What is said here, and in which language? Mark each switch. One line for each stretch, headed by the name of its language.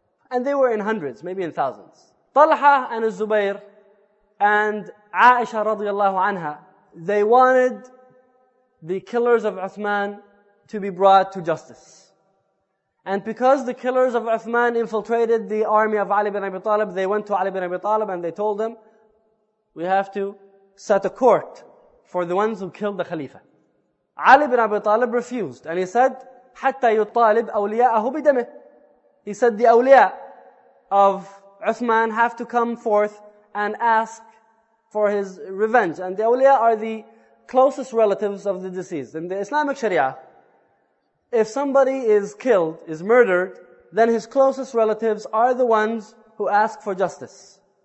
English: And they were in hundreds, maybe in thousands. Talha and Az-Zubayr and Aisha radiallahu anha, they wanted the killers of Uthman to be brought to justice. And because the killers of Uthman infiltrated the army of Ali ibn Abi Talib, they went to Ali ibn Abi Talib and they told him, we have to set a court for the ones who killed the Khalifa. Ali ibn Abi Talib refused. And he said,
Arabic: حَتَّى يُطَالِبْ أَوْلِيَاءَهُ بِدَمِهِ.
English: He said, the awliya of Uthman have to come forth and ask for his revenge. And the awliya are the closest relatives of the deceased. In the Islamic Sharia, if somebody is killed, is murdered, then his closest relatives are the ones who ask for justice.